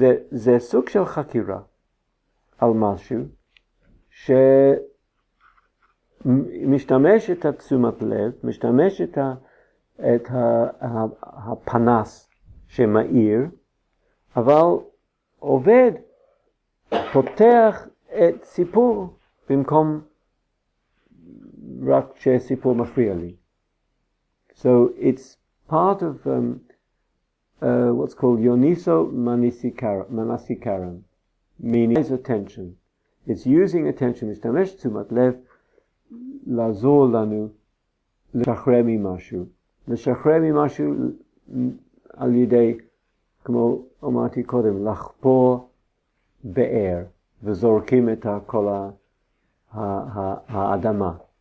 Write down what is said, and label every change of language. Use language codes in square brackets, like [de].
[he] זה סוג של חקירה על משהו שמשתמש את התשומת לב, משתמש את הפנס שמאיר, אבל עובד, פותח את סיפור במקום רק שסיפור מפריע לי. [en] So it's part of what's called Yoniso Manasikaran, meaning is attention. It's using attention, [he] משתמש תשומת לב, [en] לעזור לנו לשחרר ממשהו. [he] לשחרר ממשהו על ידי, כמו אמרתי קודם, לחפור בער וזורקים את כל האדמה.